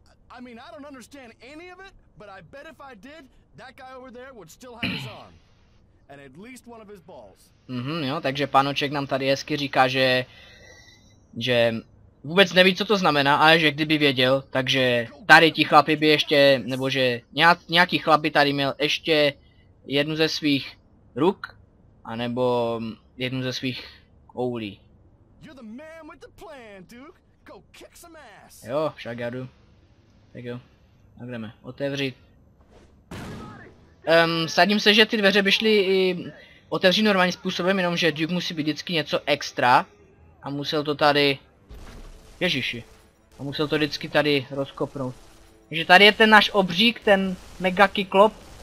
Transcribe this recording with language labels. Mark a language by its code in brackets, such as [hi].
[en] I mean, I don't understand any of it, but I bet if I did, that guy over there would still have his arm. and at least one of his balls. [cs] Mhm, jo, takže pánoček nám tady hezky říká, že vůbec neví, co to znamená, ale že kdyby věděl, takže tady ti chlapi by ještě, nebo že nějaký chlap by tady měl ještě jednu ze svých ruk, anebo jednu ze svých koulí. [en] You're the man with the plan, Duke. Go kick some ass. [cs] Jo, však já jdu. Tak jo, tak jdeme, otevřít. Sadím se, že ty dveře by šly i otevřít normálním způsobem, jenom že Duke musí být vždycky něco extra. A musel to tady... Ježiši. A musel to vždycky tady rozkopnout. Takže tady je ten náš obřík, ten mega kyklop.